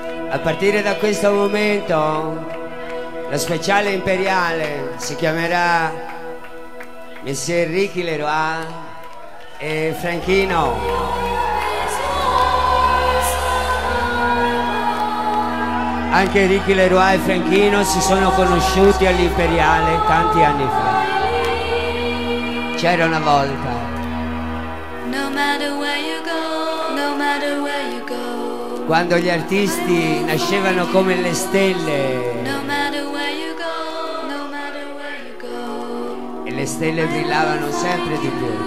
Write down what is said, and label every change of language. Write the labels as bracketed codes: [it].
[it] A partire da questo momento, la speciale imperiale si chiamerà Monsieur Ricky Leroy e Franchino. Anche Ricky Leroy e Franchino si sono conosciuti all'Imperiale tanti anni fa. C'era una volta. [en] No matter where you go, no matter where you go. [it] Quando gli artisti nascevano come le stelle. [en] No matter where you go, no matter where you go. [it] E le stelle brillavano sempre di più.